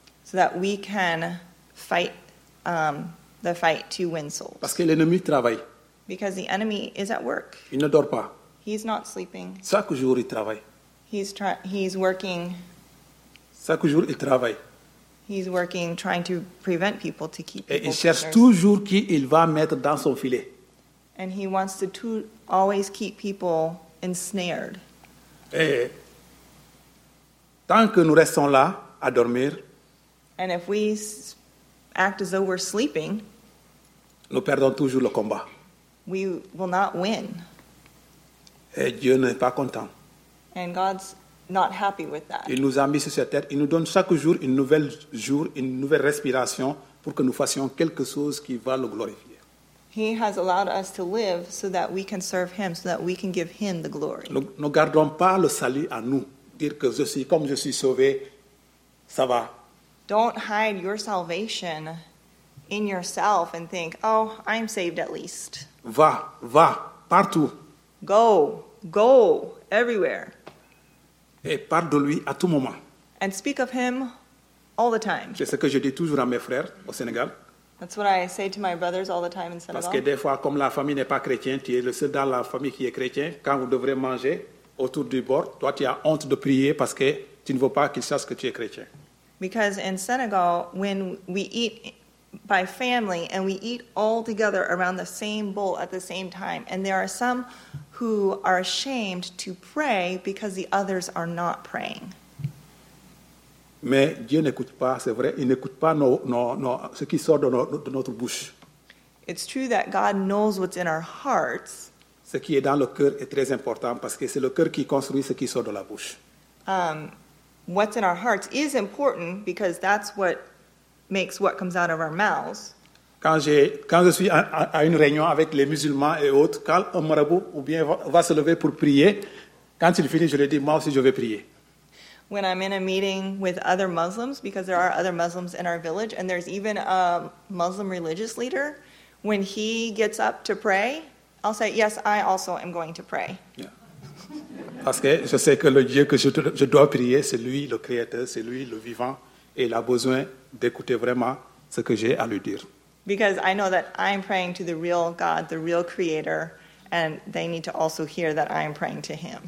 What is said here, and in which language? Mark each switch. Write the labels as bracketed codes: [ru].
[en] So that we can fight the fight to win souls. [fr] Parce que l'ennemi travaille. [en] Because the enemy is at work. [fr] Il ne dort pas. [en] He's not sleeping. [fr] Chaque jour il travaille. [en] He's working. [fr] Chaque jour il travaille. [en] He's working, trying to prevent people to keep. [fr] Et il cherche toujours qui il va mettre dans son filet. [en] And he wants to always keep people ensnared. [fr] Et tant que nous restons là à dormir, [en] and if we act as though we're sleeping, [fr] nous perdons toujours le combat. [en] We will not win. [fr] Et Dieu n'est pas content. [en] And God's not happy with that. [fr] Il nous a mis sur cette terre. Il nous donne chaque jour une nouvelle respiration pour que nous fassions quelque chose qui va le glorifier. [en] He has allowed us to live so that we can serve him, so that we can give him the glory. [fr] Ne gardons pas le salut à nous. Dire que je suis comme je suis sauvé, ça va. [en] Don't hide your salvation in yourself and think, oh, I'm saved at least. [fr] Va, partout. [en] Go, everywhere. [fr] Et parle de lui à tout moment. [en] And speak of him all the time. [fr] C'est ce que je dis toujours à mes frères au Sénégal. [en] That's what I say to my brothers all the time in Senegal. [fr] Parce que des fois, comme la famille n'est pas chrétien, tu es le seul dans la famille qui est chrétien. Quand vous devrez manger autour du bord, toi, tu as honte de prier parce que tu ne veux pas qu'ils sachent que tu es chrétien. [en] Because in Senegal, when we eat by family and we eat all together around the same bowl at the same time, and there are some who are ashamed to pray because the others are not praying. [fr] Mais Dieu n'écoute pas, c'est vrai, il n'écoute pas ce qui sort de notre bouche. [en] It's true that God knows what's in our hearts. [fr] Ce qui est dans le cœur est très important parce que c'est le cœur qui construit ce qui sort de la bouche. [en] What's in our hearts is important because that's what makes what comes out of our mouths. [fr] Quand je suis à une réunion avec les musulmans et autres, quand un marabout ou bien va se lever pour prier, quand il finit, je lui dis, moi aussi je vais prier. [en] When I'm in a meeting with other Muslims, because there are other Muslims in our village, and there's even a Muslim religious leader, when he gets up to pray, I'll say, yes, I also am going to pray. Yeah. [fr] Parce que je sais que le Dieu que je dois prier, c'est lui le créateur, c'est lui le vivant, et il a besoin d'écouter vraiment ce que j'ai à lui dire. [en] Because I know that I'm praying to the real God, the real creator, and they need to also hear that I'm praying to him.